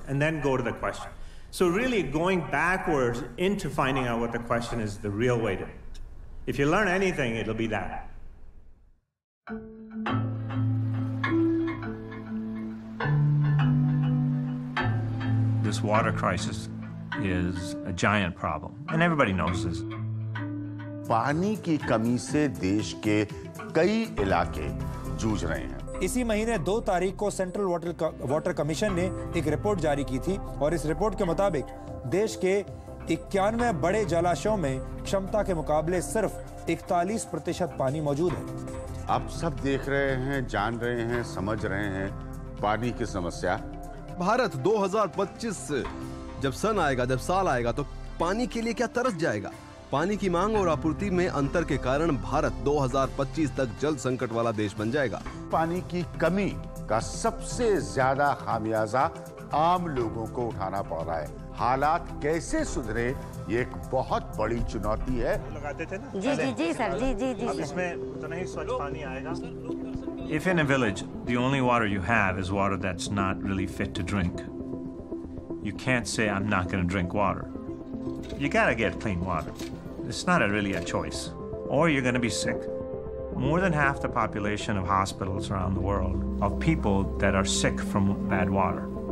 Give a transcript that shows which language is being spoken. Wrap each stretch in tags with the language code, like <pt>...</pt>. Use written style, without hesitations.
<en>And then go to the question. So really going backwards into finding out what the question is the real way to. If you learn anything, it'll be that. This water crisis is a giant problem, and everybody knows this.</en> <hi>पानी की कमी से देश के कई इलाके जूझ रहे हैं। इसी महीने 2 तारीख को सेंट्रल वाटर कमीशन ने एक रिपोर्ट जारी की थी और इस रिपोर्ट के मुताबिक देश के 91 बड़े जलाशयों में क्षमता के मुकाबले सिर्फ 41% पानी मौजूद है। आप सब देख रहे हैं, जान रहे हैं, समझ रहे हैं पानी की समस्या। भारत 2025 जब सन आएगा, जब साल आएगा, तो पानी के लिए क्या तरस जाएगा? पानी की मांग और आपूर्ति में अंतर के कारण भारत 2025 तक जल संकट वाला देश बन जाएगा। पानी की कमी का सबसे ज्यादा खामियाजा आम लोगों को उठाना पड़ रहा है। हालात कैसे सुधरे, ये एक बहुत बड़ी चुनौती है। लगाते थे ना? जी जी जी सर, जी जी जी। अब इसमें उतना ही स्वच्छ पानी आएगा।</hi> <en>If in a village the only water you have is water that's not really fit to drink, you can't say I'm not going to drink water. You gotta get clean water. It's not really a choice, or you're going to be sick. More than half the population of hospitals around the world are people that are sick from bad water.</en>